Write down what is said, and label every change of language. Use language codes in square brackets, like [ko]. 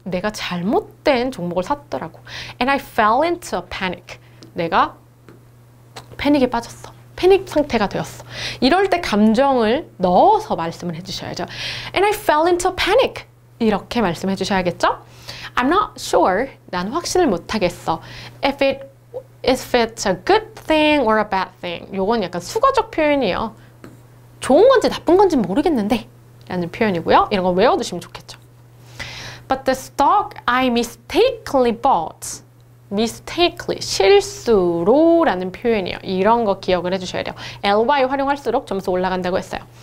[ko] 내가 잘못된 종목을 샀더라고. [en] And I fell into a panic. [ko] 내가 패닉에 빠졌어. 패닉 상태가 되었어. 이럴 때 감정을 넣어서 말씀을 해주셔야죠. [en] And I fell into a panic. [ko] 이렇게 말씀해 주셔야겠죠? [en] I'm not sure. [ko] 난 확신을 못하겠어. [en] If it's a good thing or a bad thing. [ko] 요건 약간 수거적 표현이에요. 좋은 건지 나쁜 건지 모르겠는데. 라는 표현이고요. 이런 거 외워두시면 좋겠죠. [en] But the stock I mistakenly bought. Mistakenly, [ko] 실수로 라는 표현이에요. 이런 거 기억을 해주셔야 돼요. ly 활용할수록 점수 올라간다고 했어요.